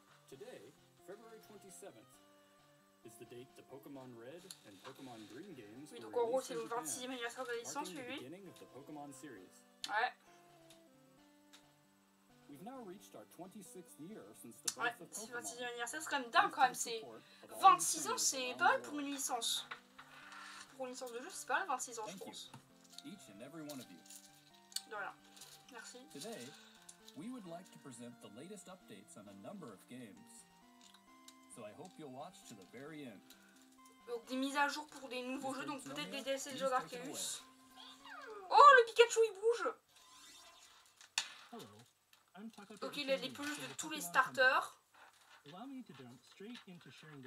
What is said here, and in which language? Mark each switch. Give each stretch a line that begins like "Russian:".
English: Today, February 27th, is the date the Pokémon Red and Pokémon Green games.
French: Oui, donc en gros, c'est le 26e anniversaire de la licence, oui.
English: The beginning of the Pokémon series.
French: Ouais.
English: We've now reached our 26th year since the birth of Pokémon.
French: Ouais, 26e anniversaire, c'est quand même dingue quand même. C'est 26 ans, c'est pas mal pour une licence. Pour une licence de jeu, c'est pas mal 26 ans, je pense.
English: Each and every one of you.
French: Voilà.
English: Today, we would like to present the latest updates on a number of games. So I hope you'll watch to the very end.
French: Donc des mises à jour pour des nouveaux jeux, donc peut-être des DLC de jeux d'Arceus. Oh, le Pikachu il bouge. Donc il a des peluches de tous les starters.
English: Allow me to jump straight into sharing the